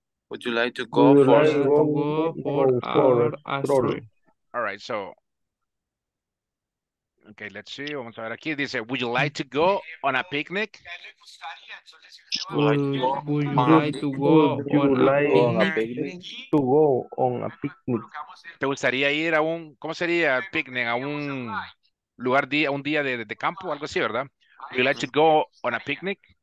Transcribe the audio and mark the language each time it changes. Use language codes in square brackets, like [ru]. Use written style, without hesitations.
[en] Would you like to go for a stroll? All right, so. Okay, let's see. [es] Vamos a ver aquí. [en] Dice, would you like to go on a picnic? Would you like to go on a picnic? [es] ¿Te gustaría ir a un, cómo sería picnic? A un lugar, a un día de campo, algo así, ¿verdad? [en] Would you like to go on a picnic?